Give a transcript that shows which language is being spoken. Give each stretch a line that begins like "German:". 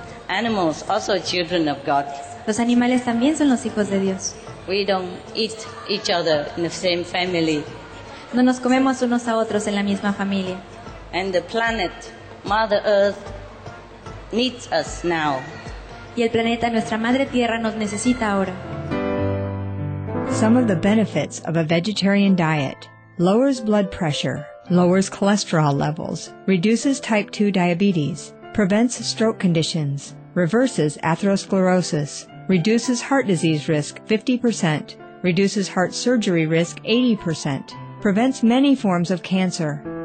English: Animals also children of God.
Spanish: Los animales también son los hijos de Dios.
English: We don't eat each other in the same family.
Spanish: No nos comemos unos a otros en la misma familia.
English: And the planet, Mother Earth, needs us now.
Spanish: Y el planeta, nuestra madre tierra, nos necesita ahora.
English: Some of the benefits of a vegetarian diet: lowers blood pressure, lowers cholesterol levels, reduces type 2 diabetes, prevents stroke conditions, reverses atherosclerosis, reduces heart disease risk 50%, reduces heart surgery risk 80%, prevents many forms of cancer.